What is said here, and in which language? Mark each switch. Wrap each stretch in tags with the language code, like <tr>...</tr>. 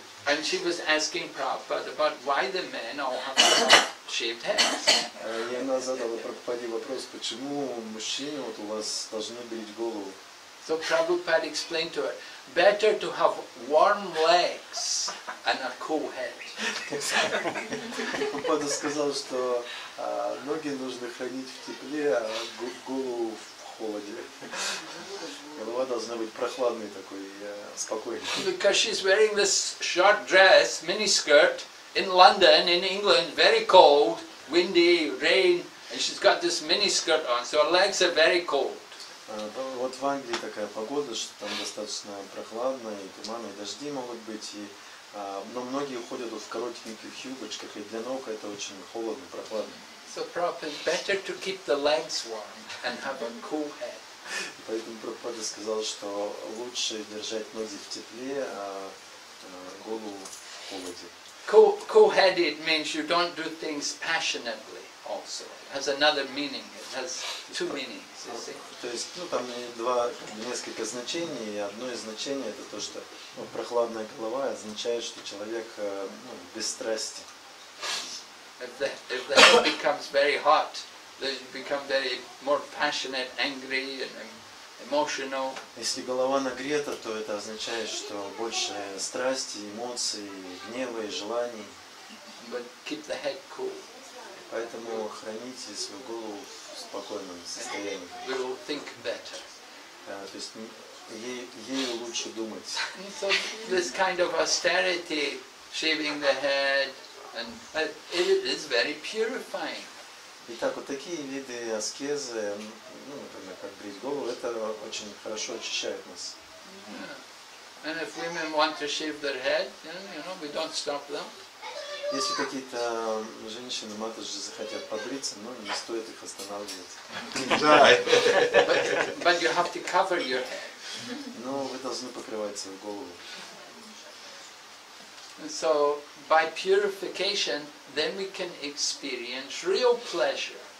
<en>And she was asking Prabhupada about why the men all have shaved heads.</en> <ru>И она задала Прабхупаде вопрос, почему мужчины вот у вас должны брить голову.</ru> <en>So Prabhupada explained to her, better to have warm legs and a cool head.</en> <ru>Прабхупада сказал, что ноги нужно хранить в тепле, а голову в холоде. Голова должна быть прохладной такой, спокойной.</ru> <en>Because she's wearing this short dress, mini skirt, in London, in England, very cold. Windy, rain, and she's got this mini skirt on, so her legs are very cold.</en> <ru>Вот в Англии такая погода, что там достаточно прохладно, и туманы, и дожди могут быть, но многие уходят в коротеньких юбочках, и для ног это очень холодно, прохладно.</ru> <en>So Prabhupada, better to keep the legs warm and have a cool head.</en> <ru>Поэтому Прабхупада сказал, что лучше держать ноги в тепле, а голову в холоде.</ru> <en>Cool-headed means you don't do things passionately. Also, it has another meaning. It has two meanings. You see.</en> <ru>То есть, там два несколько значений. И одно из значений это то, что прохладная голова означает, что человек без страсти.</ru> <en>If the head becomes very hot, then you become very more passionate, angry, and emotional.</en> <ru>Если голова нагрета, то это означает, что больше страсти, эмоций, гнева и желаний.</ru> <en>But keep the head cool.</en> <ru>Поэтому храните свою голову в спокойном состоянии.</ru> <en>We will think better.</en> <ru>То есть ей лучше думать.</ru> <en>So this kind of austerity, shaving the head, and it is very purifying.</en> <ru>Итак, вот такие виды аскезы, ну, например, как брить голову, это очень хорошо очищает нас.</ru> <en>Yeah. And if women want to shave their head, you know, we don't stop them.</en> <ru>Если какие-то женщины, матушки захотят побриться, ну, не стоит их останавливать. Да.</ru> <en>But you have to cover your head.</en> <ru>Но вы должны покрывать свою голову.</ru> <en>So by purification, then we can experience real pleasure.</en>